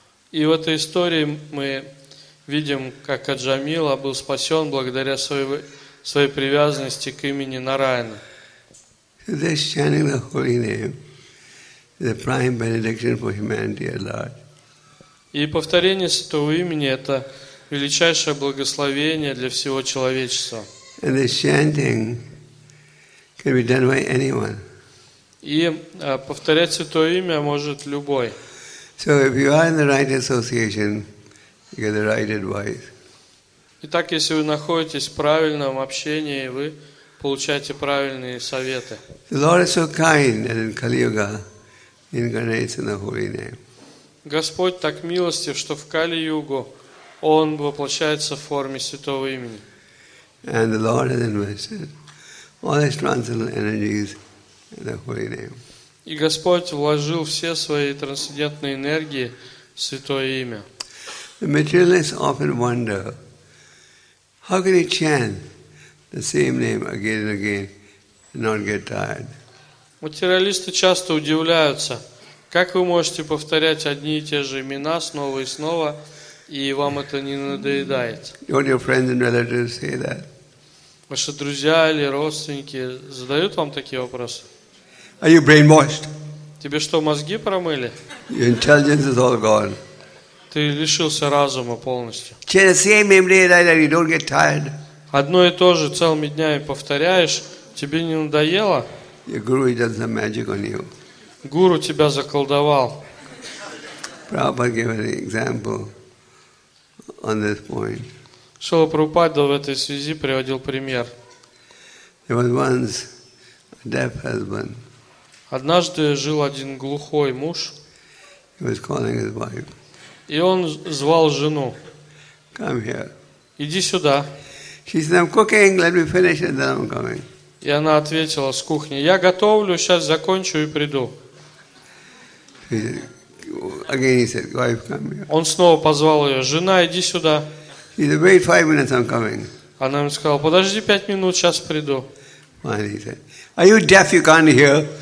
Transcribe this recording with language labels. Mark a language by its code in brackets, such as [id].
[ru] И в этой истории мы видим, как Аджамила был спасен благодаря своей привязанности к имени Нараяна. [en] So this chanting the holy name is a prime benediction for humanity at large. [ru] И повторение святого имени – это величайшее благословение для всего человечества. [en] And this chanting can be done by anyone. [ru] И повторять святое имя может любой. [en] So if you are in the right association, you get the right advice. [ru] Итак, если вы находитесь в правильном общении, вы получаете правильные советы. [en] The Lord is so kind that in Kali Yuga incarnates in the holy name. [ru] Господь так милостив, что в Кали-Югу Он воплощается в форме святого имени. [en] And the Lord has invested all His transcendental energies in the holy name. [ru] И Господь вложил все свои трансцендентные энергии в святое имя. [en] The materialists often wonder, how can you chant the same name again and again and not get tired? [ru] Материалисты часто удивляются, как вы можете повторять одни и те же имена снова и снова, и вам это не надоедает? [en] Don't your friends and relatives say that? [ru] Ваши друзья или родственники задают вам такие вопросы? [en] Are you brainwashed? [ru] Тебе что, мозги промыли? [en] Your intelligence is all gone. [ru] Ты лишился разума полностью. [en] Chant the same name day and night, you don't get tired. [ru] Одно и то же целыми днями повторяешь, тебе не надоело? [en] Your guru does the magic on you. [ru] Гуру тебя заколдовал. [en] Prabhupada gave an example on this point. [ru] Шрила Прабхупада в этой связи приводил пример. [en] There was once a deaf husband. [ru] Однажды жил один глухой муж. [en] He was calling his wife. [ru] И он звал жену. [en] Come here. [ru] Иди сюда. [en] She said, I'm cooking, let me finish and then I'm coming. [ru] И она ответила с кухни: я готовлю, сейчас закончу и приду. [en] Again he said, wife, come here. [ru] Он снова позвал ее: жена, иди сюда. [en] He said, wait 5 minutes, I'm coming. [ru] Она ему сказала: подожди 5 минут, сейчас приду. [en] Finally he said, are you deaf, you can't hear?